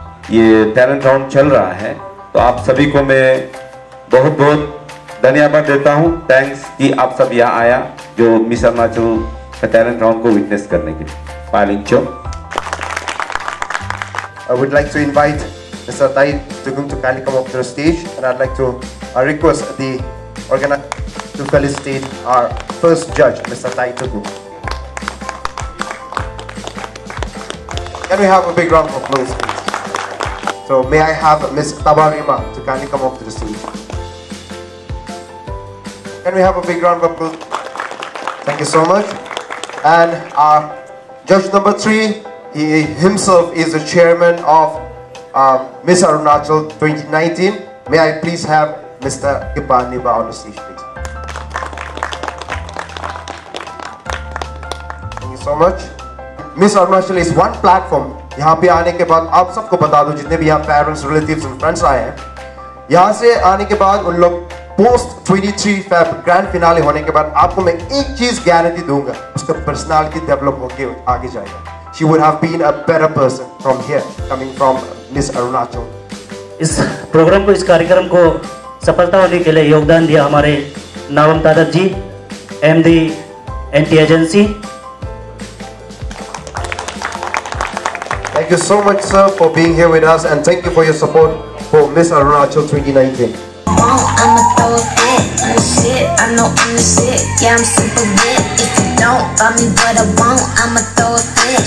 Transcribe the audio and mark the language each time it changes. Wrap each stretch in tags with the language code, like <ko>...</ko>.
<hi>ये talent round चल रहा है, तो आप सभी को मैं बहुत बहुत धन्यवाद देता हूँ, थैंक्स कि आप सब यहाँ आया जो मिस अरुणाचल का टैलेंट राउंड को विटनेस करने के लिए। पालिंग चो,</hi> <en>I would like to invite mister ताई तुगुंग to kindly come up to the stage and I like to request the organiser to felicitate our first जज mister ताई तुगुंग। Can we have a big round of applause, please? So may I have Ms. Tawarima to kindly come up to the stage. Can we have a big round of applause? Thank you so much. And our judge number three, he himself is the chairman of Miss Arunachal 2019. May I please have Mr. Kipa Niba on the stage, please? Thank you so much. Miss Arunachal is one platform.</en> <hi>यहाँ पे आने के बाद आप सबको बता दूं, जितने भी यहाँ पेरेंट्स रिलेटिव्स एंड फ्रेंड्स आए हैं, यहाँ से आने के बाद उन लोग पोस्ट 23 फरवरी ग्रैंड फिनाले होने के बाद आपको मैं एक चीज गारंटी दूंगा, उसका पर्सनालिटी डेवलप होकर आगे जाएगा।</hi> <en>She would have been a better person from here coming from Miss Arunachal.</en> <hi>इस प्रोग्राम को, इस कार्यक्रम को सफलता होने के लिए योगदान दिया हमारे नावम तादर जी, MD anti agency.</hi> <en>Thank you so much, sir, for being here with us, and thank you for your support for Miss Arunachal 2019. Oh, I'ma throw a fit, I'm the shit, I know I'm the shit, yeah, I'm super lit. If you don't buy me what I want, I'ma throw a fit.</en>